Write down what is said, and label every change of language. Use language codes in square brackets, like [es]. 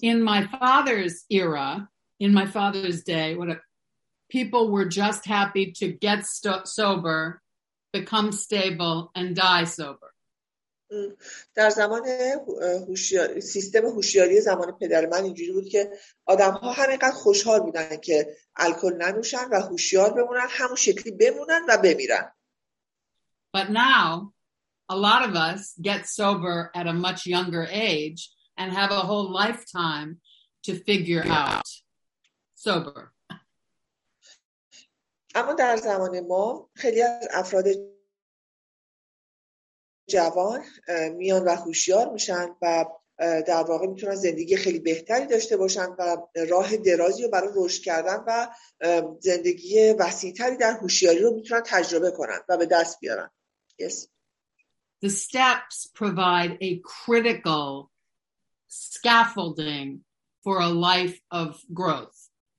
[en] In my father's era, in my father's day, people were just happy to get sober, become stable and die sober. [fa] در زمان سیستم هوشیاری زمان پدر من اینجوری بود که آدم‌ها همینقدر خوشحال بودن که الکل ننوشن و هوشیار بمونن، همون شکلی بمونن و بمیرن. [en] But now, a lot of us get sober at a much younger age and have a whole lifetime to figure out sober. [fa] اما در زمان ما خیلی از افراد جوان میان و هوشیار میشن و در واقع میتونن زندگی خیلی بهتری داشته باشن و راه درازی رو برای رشد کردن و زندگی وسیع‌تری در هوشیاری رو میتونن تجربه کنن و به دست بیارن. [en] Yes. The steps provide a critical scaffolding for a life of growth.